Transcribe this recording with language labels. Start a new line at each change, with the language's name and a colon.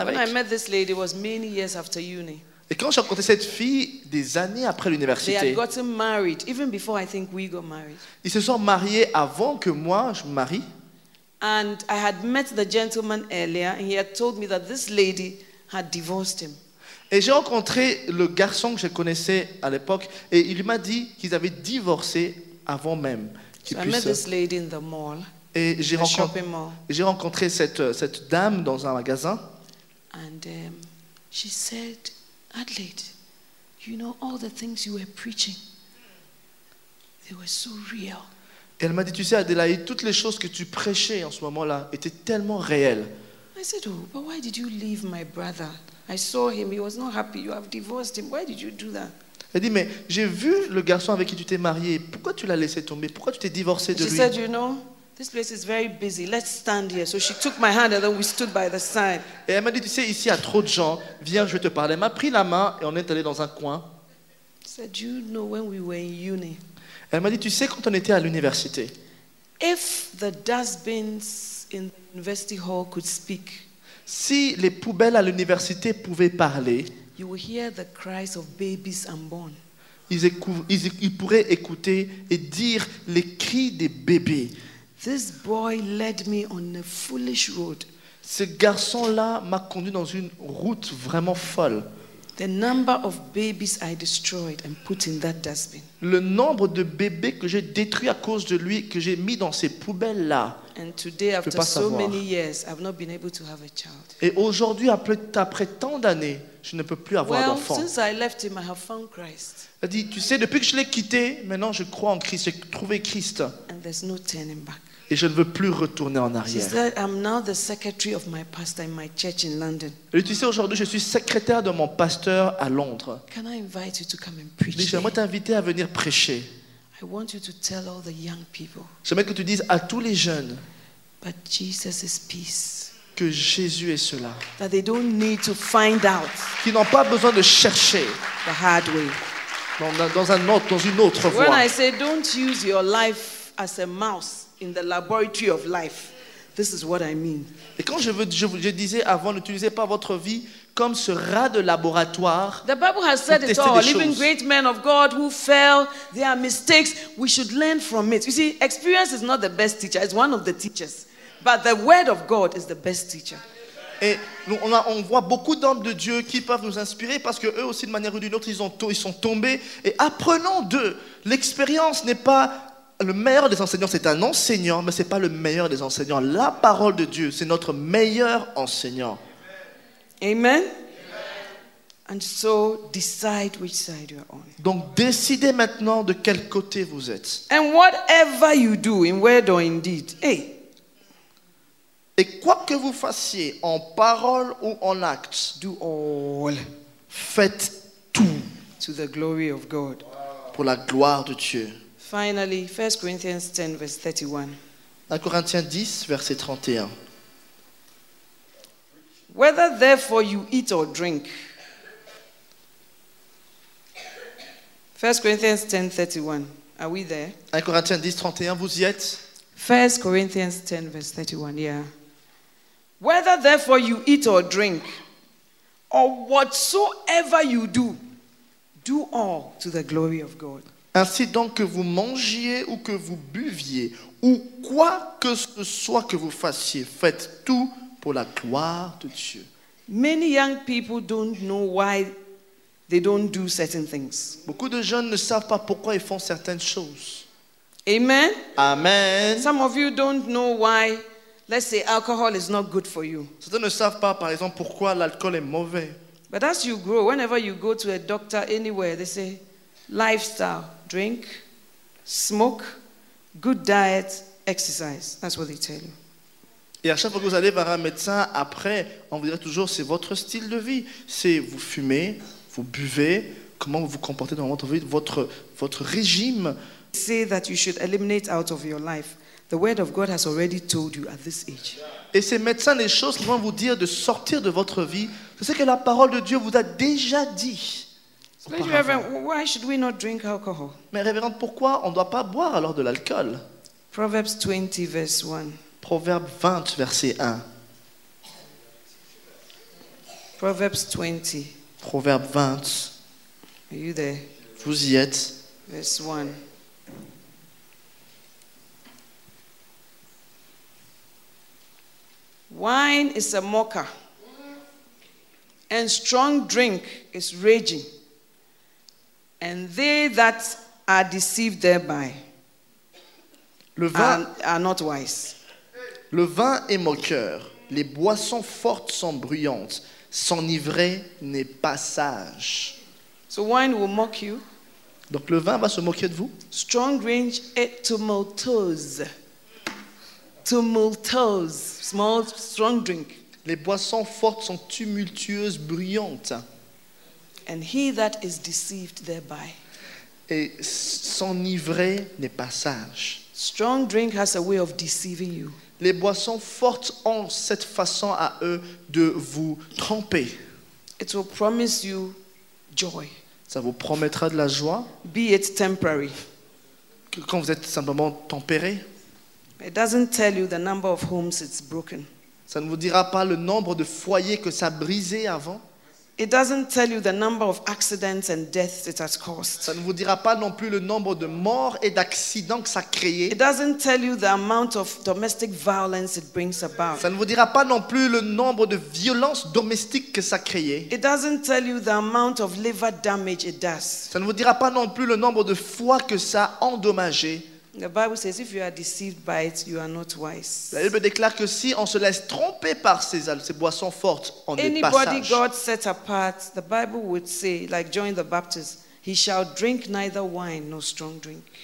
English: when
French: avec.
English: When I met this lady, it was many years after uni.
French: Et quand j'ai rencontré cette fille des années après l'université,
English: they had gotten married, even before I think we got married.
French: Ils se sont mariés avant que moi je me marie.
English: And I had met the gentleman earlier, and he had told me that this lady had divorced him.
French: Et j'ai rencontré le garçon que je connaissais à l'époque, et il m'a dit qu'ils avaient divorcé avant même qu'ils puissent.
English: I met this lady in the mall.
French: Et j'ai rencontré cette dame dans un magasin.
English: And she said, Adelaide, you know all the things you were preaching. They were so real.
French: Et elle m'a dit, tu sais, Adelaide, toutes les choses que tu prêchais en ce moment-là étaient tellement réelles.
English: I said, oh, but why did you leave my brother? I saw him. He was not happy. You have divorced him. Why did you do that?
French: Elle dit, mais j'ai vu le garçon avec qui tu t'es marié. Pourquoi tu l'as laissé tomber? Pourquoi tu t'es divorcé de lui?
English: She said, you know, this place is very busy. Let's stand here. So she took my hand and then we stood by the side.
French: Et elle m'a dit, tu sais, ici, il y a trop de gens. Viens, je vais te parler. Elle m'a pris la main et on est allé dans un coin.
English: She said, you know, when we were in uni.
French: Elle m'a dit, tu sais, quand on était à l'université.
English: If the dustbins in the university hall could speak.
French: Si les poubelles à l'université pouvaient parler.
English: You would hear the cries of babies unborn.
French: Ils pourraient écouter et dire les cris des bébés.
English: This boy led me on a foolish road.
French: Ce garçon-là m'a conduit dans une route vraiment folle.
English: The number of babies I destroyed and put in that dustbin.
French: Le nombre de bébés que j'ai détruits à cause de lui, que j'ai mis dans ces poubelles-là.
English: And today, after so many years, I've not been able to have a child.
French: Et aujourd'hui, après tant d'années, je ne peux plus avoir d'enfant.
English: Well, since I left him, I have found Christ.
French: Elle dit, tu sais, depuis que je l'ai quitté, maintenant je crois en Christ, j'ai trouvé Christ.
English: And there's no turning back.
French: Et je ne veux plus retourner en arrière.
English: She said, I'm now the secretary of my pastor in my church in London.
French: Elle dit, tu sais, aujourd'hui, je suis secrétaire de mon pasteur à Londres.
English: Can I invite you to come and preach?
French: Mais j'aimerais t'inviter à venir prêcher.
English: I want you to tell all the young people.
French: J'aimerais que tu dises à tous les jeunes.
English: But Jesus is peace.
French: Que Jésus est cela.
English: That they don't need to find out.
French: Qu'ils n'ont pas besoin de chercher.
English: The hard way.
French: Dans une autre voie.
English: When I say don't use your life as a mouse in the laboratory of life, this is what I mean.
French: Et quand je disais avant, n'utilisez pas votre vie comme ce rat de laboratoire.
English: The Bible has said it all. Even great men of God who fail, there are mistakes. We should learn from it. You see, experience is not the best teacher. It's one of the teachers. But the word of God is the best teacher.
French: Et nous, on voit beaucoup d'hommes de Dieu qui peuvent nous inspirer parce que eux aussi, de manière ou d'une autre, ils sont tombés. Et apprenons d'eux. L'expérience n'est pas le meilleur des enseignants. C'est un enseignant, mais c'est pas le meilleur des enseignants. La parole de Dieu, c'est notre meilleur enseignant.
English: Amen. And so decide which side you are on.
French: Donc décidez maintenant de quel côté vous êtes.
English: And whatever you do, in word or in deed, hey.
French: Et quoi que vous fassiez, en parole ou en acte,
English: do all.
French: Faites tout
English: to the glory of God.
French: Pour la gloire de Dieu.
English: Finally, 1 Corinthians 10, verse 31.
French: À Corinthiens 10, verset 31.
English: Whether therefore you eat or drink. 1 Corinthians 10, 31. Are we there?
French: À Corinthiens 10, 31, vous y êtes?
English: 1 Corinthians 10, verse 31, yeah. Whether therefore you eat or drink, or whatsoever you do, do all to the glory of God.
French: Ainsi donc que vous mangiez ou que vous buviez, ou quoi que ce soit que vous fassiez, faites tout pour la gloire de Dieu.
English: Many young people don't know why they don't do certain things.
French: Beaucoup de jeunes ne savent pas pourquoi ils font certaines choses.
English: Amen. Amen. Some of you don't know why. Let's say alcohol is not good for you.
French: Certains ne savent pas, par exemple, pourquoi l'alcool est mauvais.
English: But as you grow, whenever you go to a doctor anywhere, they say lifestyle, drink, smoke, good diet, exercise. That's what they tell you.
French: Et à chaque fois que vous allez voir un médecin, après, on vous dira toujours, c'est votre style de vie. C'est vous fumez, vous buvez, comment vous vous comportez dans votre vie, votre régime.
English: They say that you should eliminate out of your life. The word of God has already told you at this age.
French: Et ces médecins, les choses qui vont vous dire de sortir de votre vie, c'est ce que la parole de Dieu vous a déjà dit.
English: Why should we not drink alcohol?
French: Mais révérende, pourquoi on ne doit pas boire alors de l'alcool?
English: Proverbs 20, verse 1.
French: Proverbe 20, verset 1.
English: Proverbs 20.
French: Proverbe 20.
English: Are you there?
French: Vous y êtes.
English: Verse 1. Wine is a mocker, and strong drink is raging, and they that are deceived thereby are not wise.
French: Le vin est moqueur, les boissons fortes sont bruyantes, s'enivrer n'est pas sage.
English: So wine will mock you.
French: Donc le vin va se moquer de vous.
English: Strong drink
French: est
English: tumultuous. Tumultuous, small, strong drink.
French: Les boissons fortes sont tumultueuses, bruyantes.
English: And he that is deceived thereby.
French: Et s'enivrer n'est pas sage.
English: Strong drink has a way of deceiving you.
French: Les boissons fortes ont cette façon à eux de vous tromper.
English: It will promise you joy.
French: Ça vous promettra de la joie.
English: Be it temporary.
French: Quand vous êtes simplement tempéré.
English: It doesn't tell you the number of homes it's broken.
French: Ça ne vous dira pas le nombre de foyers que ça a brisé avant.
English: It doesn't tell you the number of accidents and deaths it has caused.
French: Ça ne vous dira pas non plus le nombre de morts et d'accidents que ça a créé.
English: It doesn't tell you the amount of domestic violence it brings about.
French: Ça ne vous dira pas non plus le nombre de violences domestiques que ça a créé.
English: It doesn't tell you the amount of liver damage it does.
French: Ça ne vous dira pas non plus le nombre de foies que ça a endommagé.
English: The Bible says if you are deceived by it, you are not wise.
French: La Bible déclare que si on se laisse tromper par ces boissons fortes, on n'est pas sage.
English: Anybody God set apart, the Bible would say, like John the Baptist, he shall drink neither wine nor strong drink.